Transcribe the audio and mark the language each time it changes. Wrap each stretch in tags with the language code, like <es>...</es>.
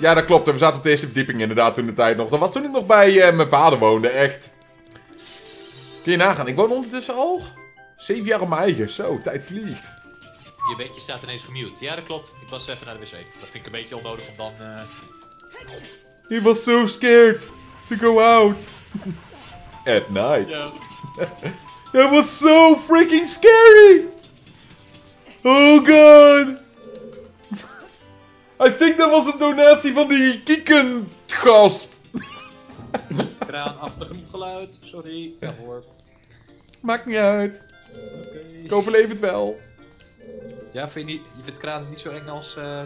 <nl>Ja, dat klopt. We zaten op de eerste verdieping inderdaad toen de tijd nog. Dat was toen ik nog bij mijn vader woonde, echt. Kun je nagaan, ik woon ondertussen al 7 jaar op mijn eigen. Zo, tijd vliegt. Je beetje staat ineens gemute. Ja, dat klopt. Ik was even naar de wc. Dat vind ik een beetje onnodig om dan...</nl> <en>He was so scared to go out. At night. Yeah. It was so freaking scary. Oh god! I think that was</en> <nl>een donatie van die kiekengast. Kraanachtig geluid, sorry. Ja hoor. Maakt niet uit. Okay. Ik overleef het wel. Ja, vind je kraan niet zo eng als...</nl>